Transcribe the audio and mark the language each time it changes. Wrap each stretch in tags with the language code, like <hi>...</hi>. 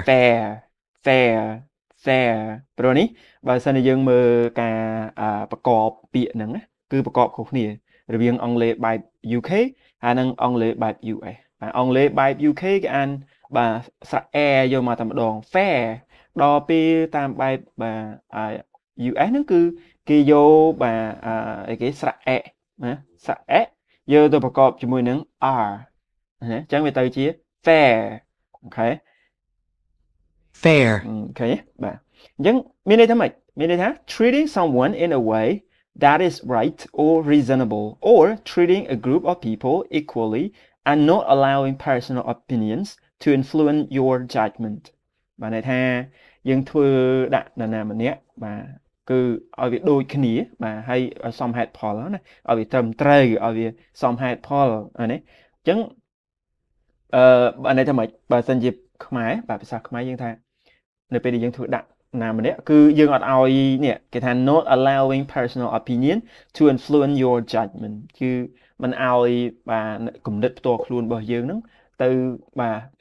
<km>fair fair fair ព្រោះនេះបើសិនតែយើងមើលការប្រកបពាក្យហ្នឹងគឺប្រកបខុសគ្នារវាងអង់គ្លេសបែប UK ហើយនឹងអង់គ្លេសបែប US បាទអង់គ្លេសបែប UK គេអានបាទស្រាក់ air យកមកតែម្ដង fair ដល់ពេលតាមបែបបាទ US ហ្នឹងគឺគេយកបាទអីគេស្រាក់ e ណាស្រាក់ e យកទៅប្រកបជាមួយនឹង r ណាអញ្ចឹងវាទៅជា fair អូខេ</km> <en>fair</en> <km>អូខេបាទអញ្ចឹងមានន័យថាម៉េចមានន័យថា</km> <en>treating someone in a wayThat is right or reasonable, or treating a group of people equally and not allowing personal opinions to influence your judgment.</en> <km>បាទថាយើងធ្វើដាក់នរណាម្នាក់បាទគឺឲ្យវាដូចគ្នាបាទហើយឲ្យសមហេតុផលណាឲ្យវាត្រឹមត្រូវឲ្យវាសមហេតុផលអានេះអញ្ចឹង បាទថាម៉េចបើសិនជាខ្មែរបាទភាសាខ្មែរយើងថានៅពេលដែលយើងធ្វើដាក់ណាម្នាក់គឺយើងអត់ឲ្យនេះគេថា</km> <en>not allowing personal opinion to influence your judgment</en> <km>គឺមិនឲ្យបាទគំនិតផ្ទាល់ខ្លួនរបស់យើងហ្នឹងទៅបាទ</km>